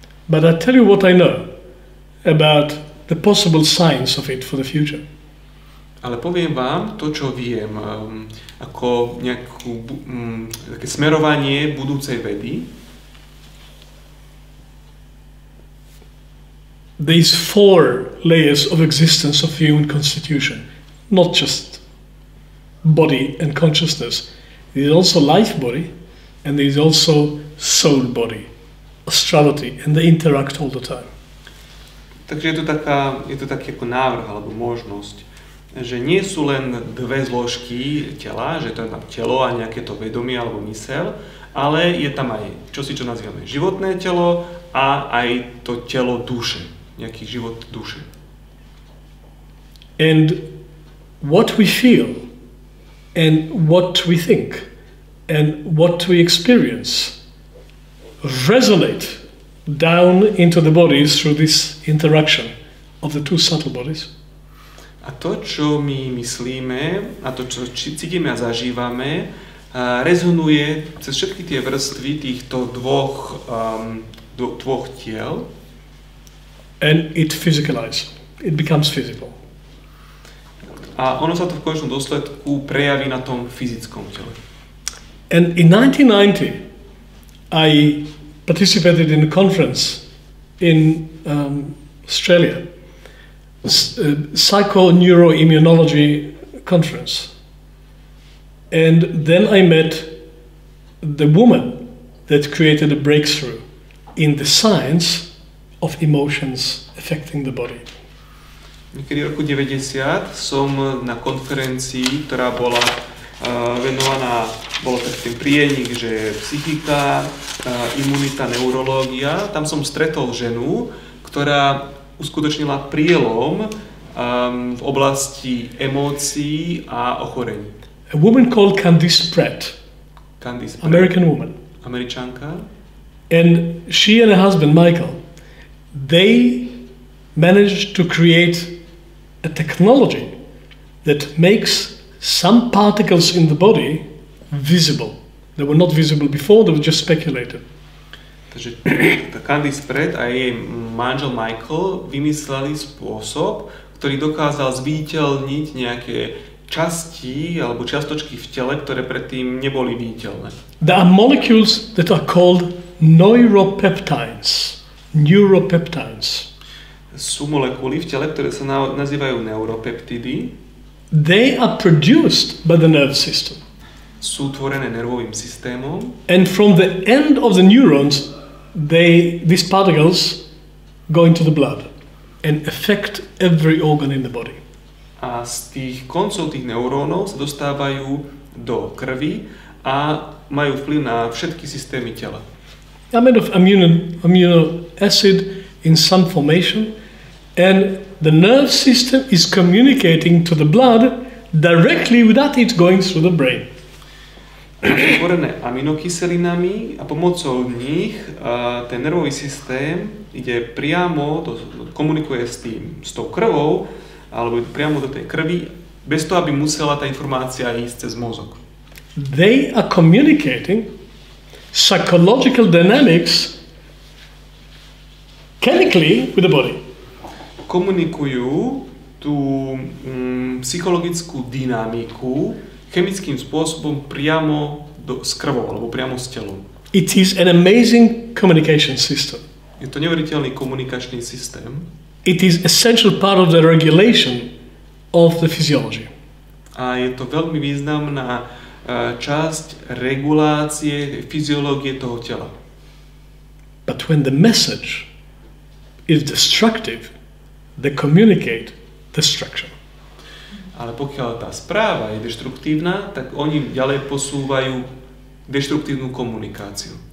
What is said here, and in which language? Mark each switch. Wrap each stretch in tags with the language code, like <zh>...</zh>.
<en>But I tell you what I know about the possible signs of it for the future.</en> <sk>Ale poviem vám to, čo viem, ako nejakú také smerovanie budúcej vedy.</sk> <en>These four layers of existence of human constitution, not just body and consciousness. There is also life body and there is also soul body. Astrality, and they interact all the time.</en> <sk>Takže je to taká, je to taký ako návrh alebo možnosť, že nie sú len dve zložky tela, že to je tam telo a nejaké to vedomie alebo myseľ, ale je tam aj čosi, čo nazývame životné telo a aj to telo duše, nejaký život duše.</sk> <en>And what we feel and what we think and what we experience resonate down into the bodies through this interaction of the two subtle bodies.</en> <sk>A to, čo my myslíme, a to, čo cítime a zažívame, rezonuje cez všetky tie vrstvy týchto dvoch, dvoch tiel.</sk> <en>And it physicalizes. It becomes physical.</en> <sk>A ono sa to v konečnom dôsledku prejaví na tom fyzickom tele.</sk> <en>And in 1990, I participated in a conference in Australia. Psychoneuroimmunology conference. And then I met the woman that created a breakthrough in the science of emotions affecting the body.</en> <sk>Niekedy v roku 90 som na konferencii, ktorá bola venovaná, bolo tak ten prienik, že psychika, imunita, neurológia. Tam som stretol ženu, ktorá uskutočnila prielom v oblasti emócií a ochorení.</sk> <en>A woman called Candice Pratt. Candice Pratt. American woman.</en> <sk>Američanka.</sk> <en>And she and her husband, Michael, they managed to create a technology that makes some particles in the body visible. They were not visible before, they were just speculated.</en> <sk>Takže Candice Pratt a jej manžel Michael vymysleli spôsob, ktorý dokázal zviditeľniť nejaké časti alebo čiastočky v tele, ktoré predtým neboli viditeľné.</sk> <en>There are molecules that are called neuropeptides. Neuropeptides.</en> <sk>Sú molekuly v tele, ktoré sa nazývajú neuropeptidy.</sk> <en>They are produced by the nerve system.</en> <sk>Sú tvorené nervovým systémom.</sk> <en>And from the end of the neurons these particles go into the blood and affect every organ in the body.</en> <sk>A z tých koncov tých neurónov sa dostávajú do krvi a majú vplyv na všetky systémy tela.</sk> <en>A made of amino acid in some formation and the nerve system is communicating to the blood directly without it going through the brain.</en> <sk>Tvorené aminokyselinami a pomocou nich ten nervový systém ide priamo, komunikuje s tou krvou, alebo priamo do tej krvi, bez toho, aby musela tá informácia ísť cez mozog.</sk> <en>They are communicating psychological dynamics chemically with the body.</en> <sk>Komunikujú tú psychologickú dynamiku chemickým spôsobom priamo s krvou, alebo priamo s telom.</sk> <en>It is an amazing communication system.</en> <sk>Je to neuveriteľný komunikačný systém.</sk> <en>It is essential part of the regulation of the physiology.</en> <sk>A je to veľmi významná časť regulácie fyziológie toho tela.</sk> <en>But when the message is destructive, they communicate destruction.</en> <sk>Ale pokiaľ tá správa je destruktívna, tak oni ďalej posúvajú destruktívnu komunikáciu.</sk>